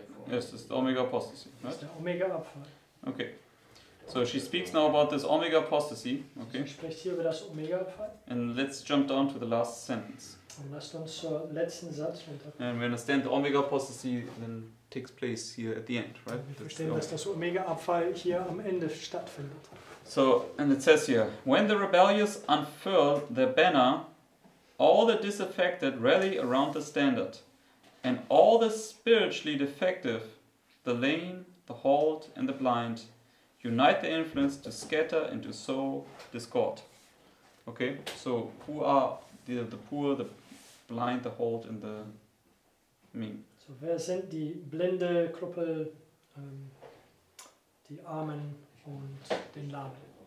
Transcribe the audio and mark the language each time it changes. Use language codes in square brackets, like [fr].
[en] Yes, it's the Omega apostasy, right? It's the Omega Abfall. Okay. So, she speaks now about this Omega apostasy. Okay. [de] Sie spricht hier über das Omega Abfall. [en] And let's jump down to the last sentence. [de] Und lasst uns zur letzten Satz runter. [en] And we understand the Omega apostasy, then takes place here at the end, right? [de] Verstehen, dass das Omega-Abfall hier am Ende stattfindet. [en] So, and it says here, when the rebellious unfurl their banner, all the disaffected rally around the standard, and all the spiritually defective, the lame, the halt, and the blind, unite their influence to scatter and to sow discord. Okay, so who are the poor, the blind, the halt, and the maimed? [de] So, wer sind die Blinde, Krüppel, die Armen und den Lahmen?